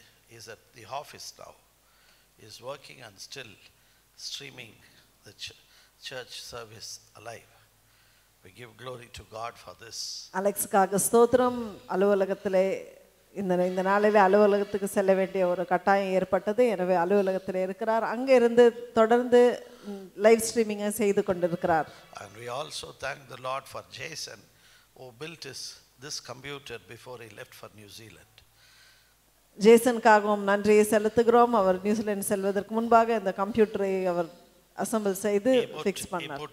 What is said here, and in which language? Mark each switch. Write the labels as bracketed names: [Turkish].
[English] He's at the office now. He's working and still streaming the church service alive. We give glory to God for this. [Tamil] Alex காக ஸ்தோத்திரம். அலுவலகத்திலே இந்த நாளிலே அலுவலகத்துக்கு செல்ல வேண்டிய ஒரு கட்டாயம் ஏற்பட்டது. எனவே அலுவலகத்தில் இருக்கிறார். அங்கே இருந்து தொடர்ந்து லைவ் ஸ்ட்ரீமிங்கை செய்து கொண்டிருக்கிறார். [English] And we also thank the Lord for Jason, who built this computer before he left for New Zealand. [Tamil] ஜேசனுக்காகவும் நன்றியை செலுத்துகிறோம். அவர் நியூசிலாந்து செல்வதற்கு முன்பாக இந்த கம்ப்யூட்டரை அவர் அசம்பிள் செய்து ஃபிக்ஸ் பண்ணார்.